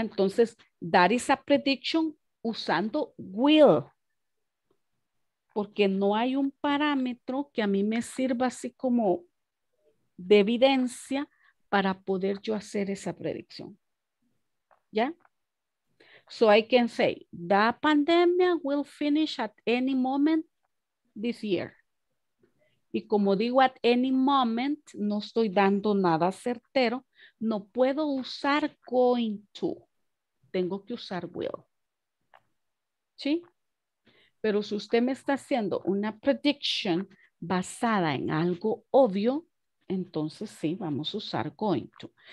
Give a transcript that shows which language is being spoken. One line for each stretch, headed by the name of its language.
Spanish: Entonces,
English: that is a prediction
Spanish: usando
English: will.
Spanish: Porque no hay un parámetro que a mí me sirva así como de evidencia para poder yo hacer esa predicción. ¿Ya?
English: So I can say, the pandemic will finish at any moment this year.
Spanish: Y como digo
English: at any moment,
Spanish: no estoy dando nada certero, no puedo usar going to. Tengo que usar will. ¿Sí? Pero si usted me está haciendo una prediction basada en algo obvio, entonces sí, vamos a usar going to.